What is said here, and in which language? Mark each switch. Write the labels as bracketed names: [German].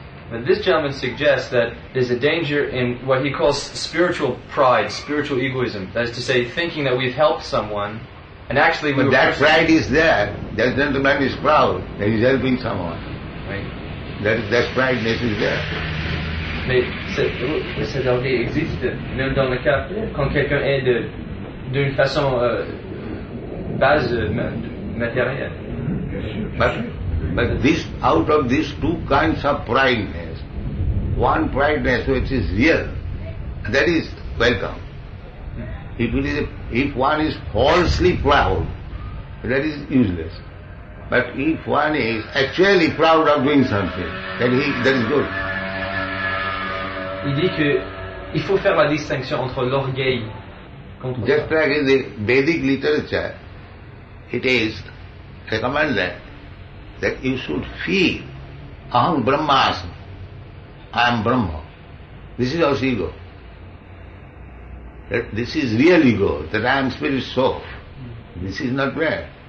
[English] But this gentleman suggests that there's a danger in what he calls spiritual pride, spiritual egoism. That is to say, thinking that we've helped someone, and actually... But that pride is there. That gentleman is proud that he's helping someone. Right. That prideness is there. [French] Mais cette envie existe, même dans le cas, quand quelqu'un aide d'une façon base matérielle. [English] But this, out of these two kinds of brightness, one brightness which is real, that is welcome. If it is, if one is falsely proud, that is useless. But if one is actually proud of doing something, then he, that is good. [French] Il dit que il faut faire la distinction entre l'orgueil contre. [English] Just like in the Vedic literature, it is recommended that, that you should feel, [Sanskrit] aham brahmasmi, [English] I am Brahma. This is also ego. That this is real ego, that I am spirit soul. This is not bad.